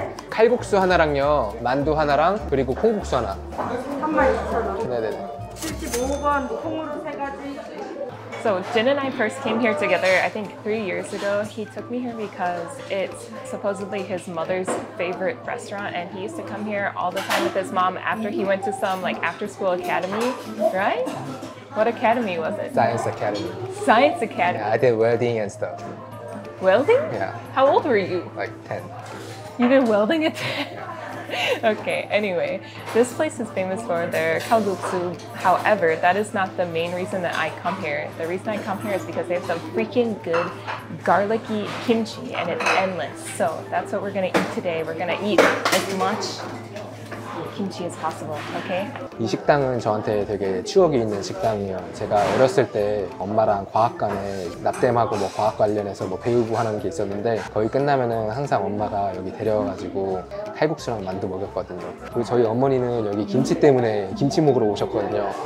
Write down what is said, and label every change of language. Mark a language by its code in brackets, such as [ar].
[ko] 칼국수 하나랑요, 만두 하나랑, 그리고 콩국수 하나. 3만 2천 원. 75번 콩으로 세 가지. [en] So Jin and I first came here together, I think 3 years ago. He took me here because it's supposedly his mother's favorite restaurant, and he used to come here all the time with his mom after he went to some like after school academy, right? What academy was it? Science Academy. Science Academy. Yeah, I did welding and stuff. Welding? Yeah. How old were you? Like 10. You did welding it? Okay, anyway, this place is famous for their kalguksu. However, that is not the main reason that I come here. The reason I come here is because they have some freaking good garlicky kimchi, and it's endless. So that's what we're gonna eat today. We're gonna eat as much kimchi as possible, okay? [ko] 이 식당은 저한테 되게 추억이 있는 식당이에요. 제가 어렸을 때 엄마랑 과학관에 납땜하고 뭐 과학 관련해서 뭐 배우고 하는 게 있었는데 거의 끝나면은 항상 엄마가 여기 데려와가지고 칼국수랑 만두 먹였거든요. 그리고 저희 어머니는 여기 김치 때문에 김치 먹으러 오셨거든요.